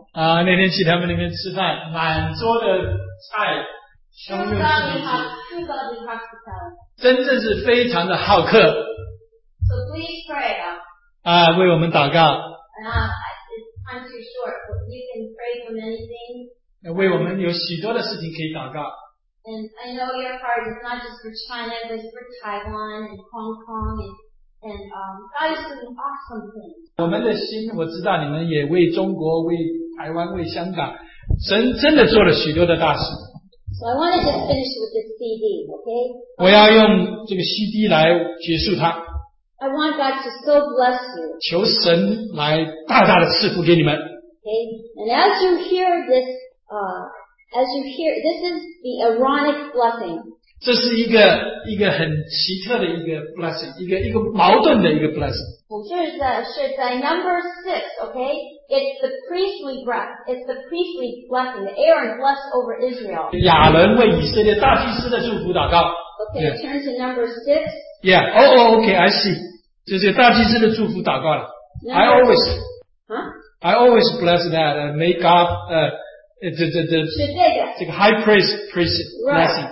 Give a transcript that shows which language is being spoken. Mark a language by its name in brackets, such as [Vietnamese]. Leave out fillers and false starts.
[Chinese] 啊，那天去他们那边吃饭，满桌的菜，全部都是中国人。 [English] Truly hospitality. [Chinese] 真正是非常的好客。 [English] So please pray. [Chinese] 啊，为我们祷告。 [English] I'm too short, but you can pray for many things. [Chinese] 为我们有许多的事情可以祷告。 [English] And I know your heart is not just for China, but it's for Taiwan and Hong Kong and God is doing awesome things. [Chinese] 我们的心，我知道你们也为中国、为台湾、为香港，真的做了许多的大事。 [English] So I want to just finish with this CD, okay? [Chinese] 我要用这个 CD 来结束它。 [English] I want God to so bless you. [Chinese] 求神来大大的赐福给你们。 [English] Okay, and as you hear this, this is the ironic blessing. [Chinese] 这是一个很奇特的一个 blessing, 一个矛盾的一个 blessing. 是在 [English] number 6, okay? It's the priestly breath. It's the priestly blessing. Aaron blessed over Israel. [Chinese] 亚伦为以色列大祭司的祝福祷告。 [English] Okay, turn to number 6. Yeah. Oh, oh, okay. I see. [Chinese] 就是大祭司的祝福祷告了。 [English] Number, I always bless that. May God, the high priest bless it.